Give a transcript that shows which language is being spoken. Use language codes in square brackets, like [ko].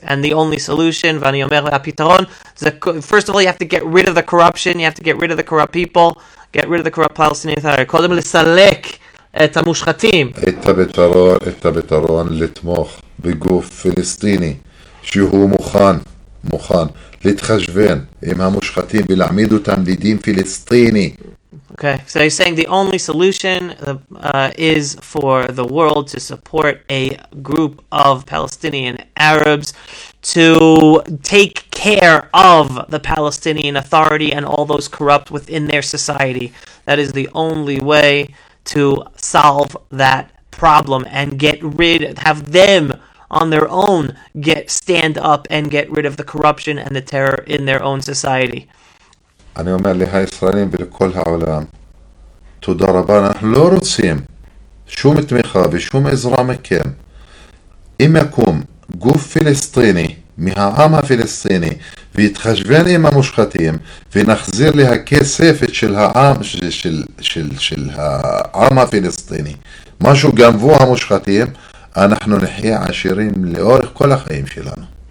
[en] And the only solution, [he] ואני אומר הפתרון, [en] first of all, you have to get rid of the corruption, you have to get rid of the corrupt people, get rid of the corrupt Palestinian Authority. [he] קודם לסלק את המושחתים. את הפתרון לתמוך בגוף פלסטיני, שהוא מוכן להתחשבן עם המושחתים ולעמיד אותם לדין פלסטיני. [en] Okay, so he's saying the only solution is for the world to support a group of Palestinian Arabs to take care of the Palestinian Authority and all those corrupt within their society. That is the only way to solve that problem and get rid, have them on their own get stand up and get rid of the corruption and the terror in their own society. [he] אני אומר לישראלים ולכל העולם, תודה רבה, אנחנו לא רוצים שום תמיכה ושום עזרה מכם. אם יקום גוף פלסטיני מהעם הפלסטיני ויתחשבן עם המושחתים ונחזיר להכספת של העם של העם הפלסטיני משהו גנבו המושחתים, אנחנו נחיה עשירים לאורך כל החיים שלנו.